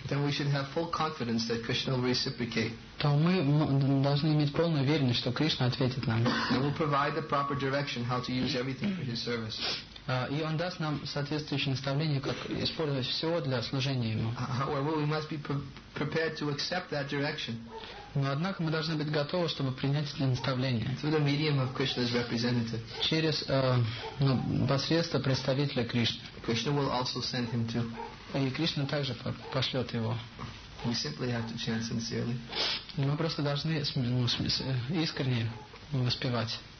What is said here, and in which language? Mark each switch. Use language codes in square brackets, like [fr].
[en] Then we should have full confidence that Krishna will reciprocate. [ru] То мы должны иметь полную уверенность, что Кришна ответит нам. [en] And will provide the proper direction how to use everything for His service. [ru] И Он даст нам соответствующее наставление, как использовать все для служения Ему. [en] However, we must be prepared to accept that direction. [ru] Но однако мы должны быть готовы, чтобы принять это наставление. [en] Through the medium of Krishna's representative. [ru] Через посредство представителя Кришны. [en] Krishna will also send him too. [ru] И Кришна также пошлет его. [en] We simply have to chant sincerely. [ru] Мы просто должны искренне воспевать.